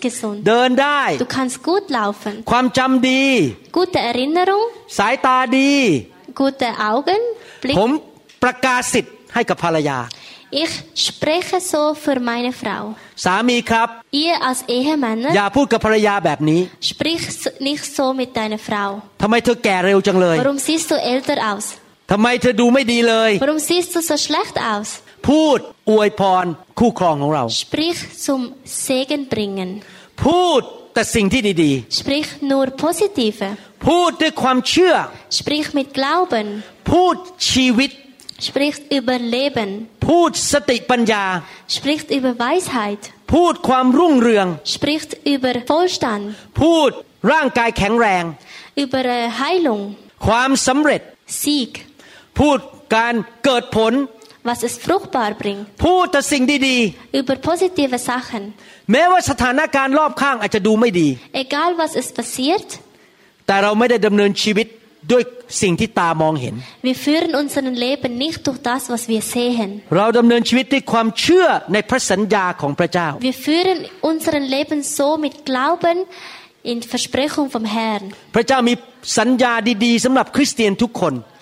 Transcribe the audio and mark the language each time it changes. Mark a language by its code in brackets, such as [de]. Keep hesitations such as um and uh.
[de] gesund [th] เดินได้ [de] Du kannst gut laufen [th] ความจําดี [de] Gute Erinnerung [th] สายตาดี [de] Gute Augen [th] ผมประกาศสิทธิ์ให้กับภรรยา [de] Ich spreche so für meine Frau. [th] สามีครับ [de] Ihr als Ehemann [th] อย่า พูดกับภรรยาแบบนี้ [de] Sprich nicht so mit deiner Frau. [th] ทําไมเธอแก่เร็วจังเลย [de] Warum siehst du älter aus? [th] ทำไมเธอดูไม่ดีเลย [de] Warum siehst du so schlecht aus [th] พูดอวยพรคู่ครองของเรา [de] Sprich zum Segen bringen [th] พูดแต่สิ่งที่ดีๆ [de] Sprich nur positive [th] พูดด้วยความเชื่อ [de] Sprich mit Glauben [th] พูดชีวิต [de] Sprich über Leben [th] พูดสติปัญญา [de] Sprich über Weisheit [th] พูดความรุ่งเรือง [de] Sprich über Vollstand [th] พูดร่างกายแข็งแรง [de] Über Heilung [th] ความสำเร็จ [de] Sieg [th] พูดการเกิดผล [de] Was es fruchtbar bringt. [th] พูดแต่สิ่งดีๆ [de] Über positive Sachen. [th] แม้ว่าสถานการณ์รอบข้างอาจจะดูไม่ดี [de] Egal was es passiert. [th] แต่เราไม่ได้ดำเนินชีวิตด้วยสิ่งที่ตามองเห็น [de] Wir führen unseren Leben nicht durch das was wir sehen. [th] เราดำเนินชีวิตด้วยความเชื่อในพระสัญญาของพระเจ้า [de] Wir führen unseren Leben so mit Glauben in Versprechung vom Herrn. [th] พระเจ้ามีสัญญาดี ๆสำหรับคริสเตียนทุกคน